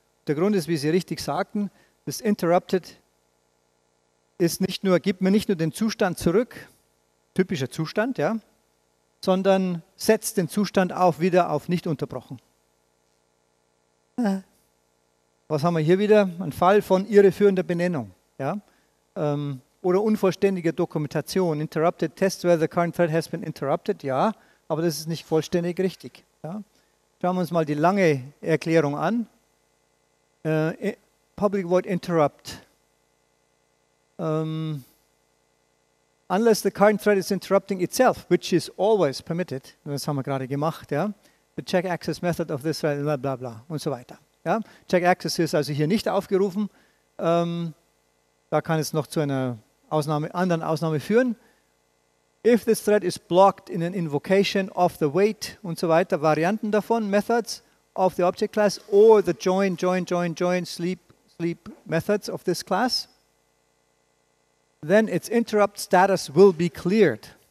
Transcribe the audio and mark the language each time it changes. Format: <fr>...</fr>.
<de>Der Grund ist, wie Sie richtig sagten, das Interrupted ist nicht nur, gibt mir nicht nur den Zustand zurück, typischer Zustand, ja, sondern setzt den Zustand auf wieder auf nicht unterbrochen. Was haben wir hier wieder? Ein Fall von irreführender Benennung, ja, oder unvollständiger Dokumentation.</de> <en>Interrupted test where the current thread has been interrupted, ja.</en> <de>Aber das ist nicht vollständig richtig. Ja. Schauen wir uns mal die lange Erklärung an.</de> <en>Public Void Interrupt. Unless the current thread is interrupting itself, which is always permitted,</en> <de>das haben wir gerade gemacht, ja.</de> <en>The Check Access Method of this thread, bla bla bla</en> <de>und so weiter. Ja. Check Access ist also hier nicht aufgerufen. Da kann es noch zu einer anderen Ausnahme führen.</de> <en>If this thread is blocked in an invocation of the wait</en> <de>und so weiter, Varianten davon,</de> <en>methods of the object class or the join, join, join, join, sleep, sleep methods of this class, then its interrupt status will be cleared.</en>